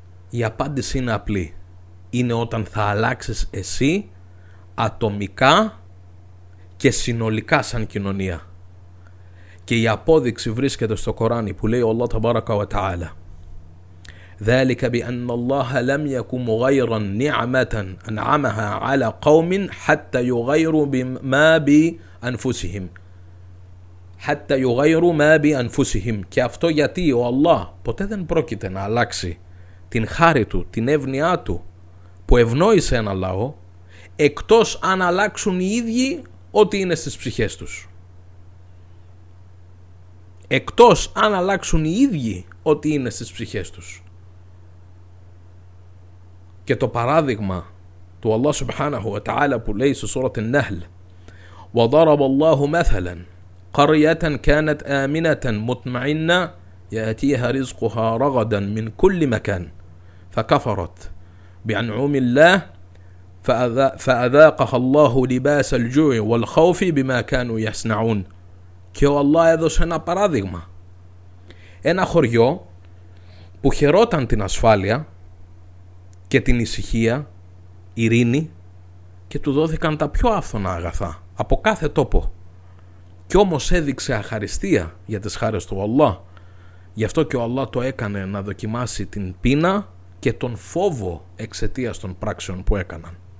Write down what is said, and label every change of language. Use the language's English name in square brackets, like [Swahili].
[Greek] Η απάντηση είναι απλή. Είναι όταν θα αλλάξεις εσύ ατομικά και συνολικά σαν κοινωνία. Και η απόδειξη βρίσκεται στο Κοράνι που λέει [Arabic] Allah Tabaraka wa Ta'ala. ذلك بأن الله لم يكن مغيرا نعمة أنعمها على قوم حتى يغيروا بما بأنفسهم حتى يغيروا ما بأنفسهم. [Greek] Και αυτό γιατί ο Αλλάχ ποτέ δεν πρόκειται να αλλάξει την χάρη του, την εύνοιά του που ευνόησε ένα λαό, εκτός αν αλλάξουν οι ίδιοι ό,τι είναι στις ψυχές τους. Εκτός αν αλλάξουν οι ίδιοι ό,τι είναι στις ψυχές τους. και το παράδειγμα του Allah subhanahu wa ta'ala που λέει σε σούρα την Nahl, [Arabic] وضرب الله مثلا قرية كانت آمنة مطمئنة يأتيها رزقها رغدا من كل مكان فكفرت بأنعم الله فأذاقها الله لباس الجوع والخوف بما كانوا يصنعون. [Greek] Και ο Αλλά έδωσε ένα παράδειγμα. Ένα χωριό που χαιρόταν την ασφάλεια και την ησυχία, ειρήνη, και του δόθηκαν τα πιο άφθονα αγαθά από κάθε τόπο. Κι όμως έδειξε αχαριστία για τις χάρες του Αλλά. Γι' αυτό και ο Αλλά το έκανε να δοκιμάσει την πείνα και τον φόβο εξαιτίας των πράξεων που έκαναν.